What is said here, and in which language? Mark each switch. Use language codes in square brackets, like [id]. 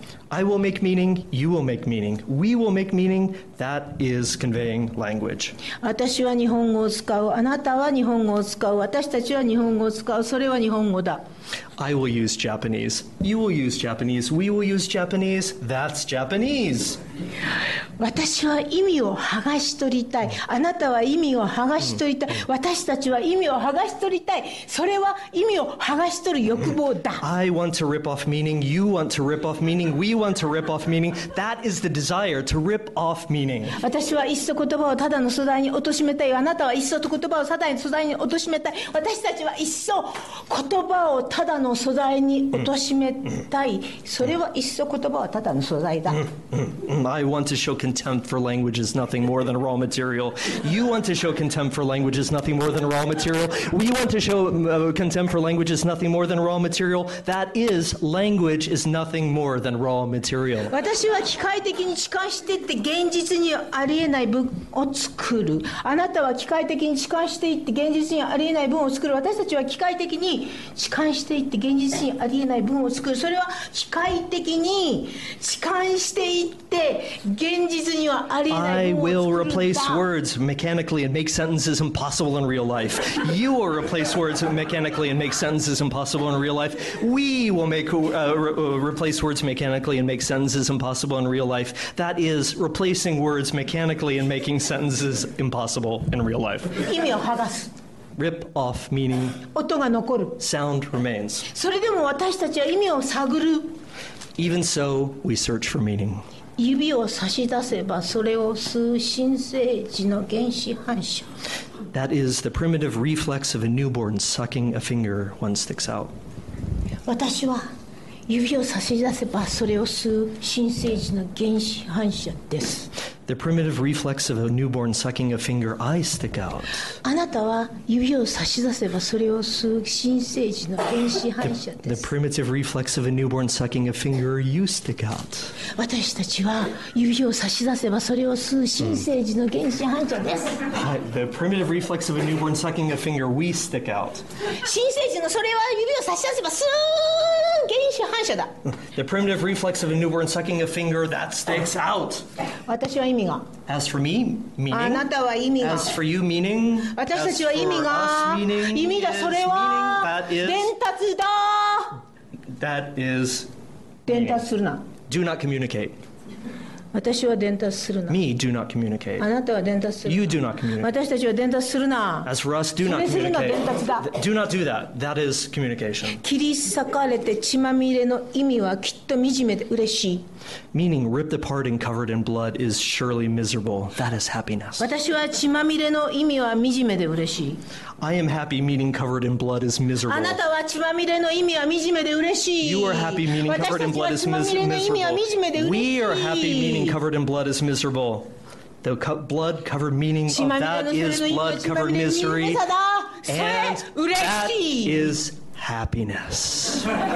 [en] I will make meaning, you will make meaning, we will make meaning, that is conveying language. [ja] 私は日本語を使う、あなたは日本語を使う、私たちは日本語を使う、それは日本語だ。 [en] I will use Japanese, you will use Japanese, we will use Japanese, that's Japanese. [ja] 私は意味を剥がし取りたい、あなたは意味を剥がし取りたい、私たちは意味を剥がし取りたい、それは意味を剥がし取る欲望だ。 [en] I want to rip off meaning, you want to rip off meaning, we want to rip off meaning. That is the desire to rip off meaning. [ja] 私はいっそ言葉をただの素材に貶めたい、あなたはいっそ言葉をただの素材に貶めたい、私たちはいっそ言葉をただの素材に貶めたい、それはいっそ言葉はただの素材だ。 [en] I want to show contempt for language is nothing more than a raw material. You want to show contempt for language is nothing more than a raw material. We want to show contempt for language is nothing more than a raw material. That is, language is nothing more than raw material. [ja] 私は機械的に近してって現実にありえない文を作る。あなたは機械的に近していって現実にありえない文を作る。私たちは機械的に近していって現実にありえない文を作る。それは機械的に近していって現 [en] I will replace words mechanically and make sentences impossible in real life. You will replace words mechanically and make sentences impossible in real life. We will make replace words mechanically and make sentences impossible in real life. That is replacing words mechanically and making sentences impossible in real life. [ja] 意味を剥がす。 [en] Rip off meaning. [ja] 音が残る。 [en] Sound remains. [ja] それでも私たちは意味を探る。 [en] Even so, we search for meaning. [ja] 指を差し出せばそれを吸う新生児の原始反射。 [en] That is the primitive reflex of a newborn sucking a finger one sticks out. [ja] 私は指を差し出せばそれを吸う新生児の原始反射です。 [en] The primitive reflex of a newborn sucking a finger, I stick out. [ja] あなたは指を差し出せばそれを吸う新生児の原始反射です。 [en] The primitive reflex of a newborn sucking a finger, you stick out. [ja] 私たちは指を差し出せばそれを吸う新生児の原始反射です。 [en] The primitive reflex of a newborn sucking a finger, we stick out. [ja] 新生児のそれは指を差し出せば吸う原始反射だ。 [en] The primitive reflex of a newborn sucking a finger, that sticks out. [ja] 私は意味が。 [en] As for me, meaning. [ja] あなたは意味が。 [en] As for you, meaning. [ja] 私たちは意味が。 [en] Meaning, [ja] 意味だ、それは伝達だ。 [en] That is. [ja] 伝達するな。 [en] Do not communicate. [ja] 私は伝達するな。 [en] Me, do not communicate. [ja] あなたは伝達するな。 [en] You do not communicate. [ja] 私たちは伝達するな。 [en] As for us, do not communicate. [ja] 伝達だ。 [en] Do not do that. That is communication. [ja] 切り裂かれて血まみれの意味はきっと惨めで嬉しい。 [en] Meaning ripped apart and covered in blood is surely miserable. That is happiness. [ja] 私は血まみれの意味は惨めで嬉しい。 [en] I am happy meaning covered in blood is miserable. [ja] あなたは血まみれの意味は惨めで嬉しい。 [en] You are happy meaning covered in blood is miserable. We are happy meaning covered in blood is miserable. The blood covered meaning of that is blood covered misery. And that is happiness.